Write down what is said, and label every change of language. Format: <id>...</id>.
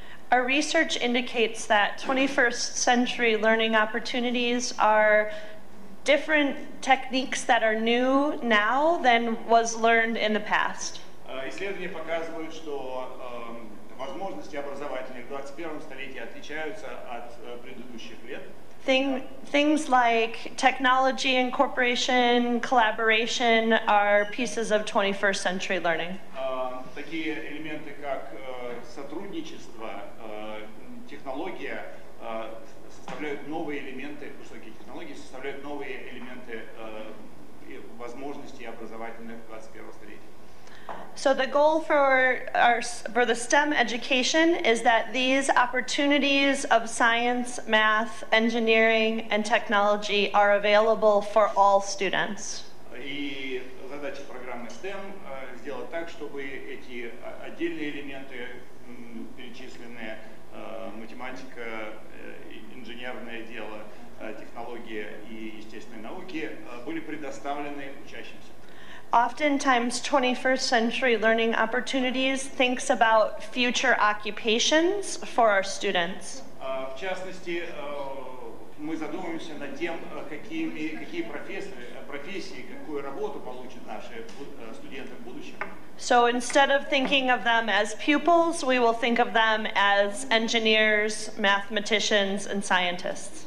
<en>Our research indicates that 21st century learning opportunities are different techniques that are new now than was learned in the past.</en> <ru>Исследования показывают, что возможности образовательные в 21 столетии отличаются от предыдущих лет.</ru> <en>Things like technology incorporation, collaboration are pieces of 21st century learning.</en> <ru>Такие элементы, как сотрудничество, технология, составляют новые элементы, высокие технологии составляют новые элементы возможностей образовательных 21 столетия.</ru> <en>So the goal for the STEM education is that these opportunities of science, math, engineering, and technology are available for all students.</en> <ru>И задача программы STEM сделать так, чтобы эти отдельные элементы, перечисленные математика, инженерное дело, технология и естественные науки, были предоставлены учащимся.</ru> <en>Oftentimes, 21st century learning opportunities thinks about future occupations for our students.</en> <ru>В частности, мы задумываемся над тем, какие профессии, какую работу получат наши студенты в будущем.</ru> <en>So instead of thinking of them as pupils, we will think of them as engineers, mathematicians, and scientists.</en>